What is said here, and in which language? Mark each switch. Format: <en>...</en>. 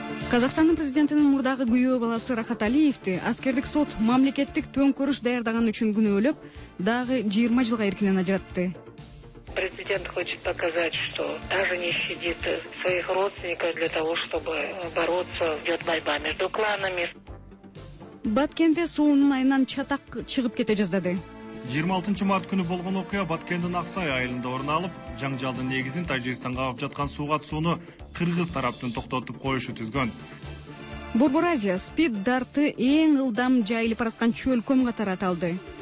<ky>Казакстандын президентинин мурдагы күйөө баласы Рахат Алиевди аскердик сот мамлекеттик төңкөрүш даярдаган үчүн күнөөлөп, дагы 20 жылга эркинен ажыратты.</ky> <ru>Президент хочет показать, что даже не щадит своих родственников для того, чтобы бороться, идет борьба между кланами.</ru> <ky>Баткенде суунун айынан чатак чыгып кете жаздады. 26 март күнү болгон окуя Баткендин Аксай айылында орун алып, жаңжалдын негизин Тажикстанга алып жаткан сууга түшүүнү кыргыз тараптын токтотуп коюшу түзгөн. Борбор Азия спид дарты эң ылдам жайылып бараткан чөлкөм катары аталды.</ky>